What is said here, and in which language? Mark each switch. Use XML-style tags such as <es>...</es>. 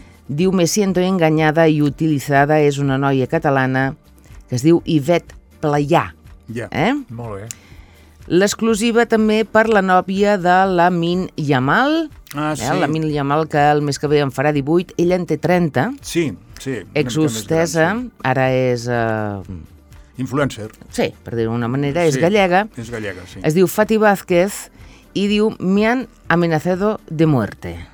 <ca>Diu,</ca> <es>me siento engañada y utilizada.</es> <ca>És una noia catalana que es diu Ivette Playà. Ja, molt bé. L'exclusiva també per la nòvia de Lamine Yamal. Ah, sí. Lamine Yamal, que el mes que ve en farà 18, ella en té 30. Sí, sí. Ex-hostessa, ara és... Influencer. Sí, per dir-ho d'una manera, sí, és gallega. És gallega, sí. Es diu Fati Vázquez i diu,</ca> <es>me han amenazado de muerte.</es>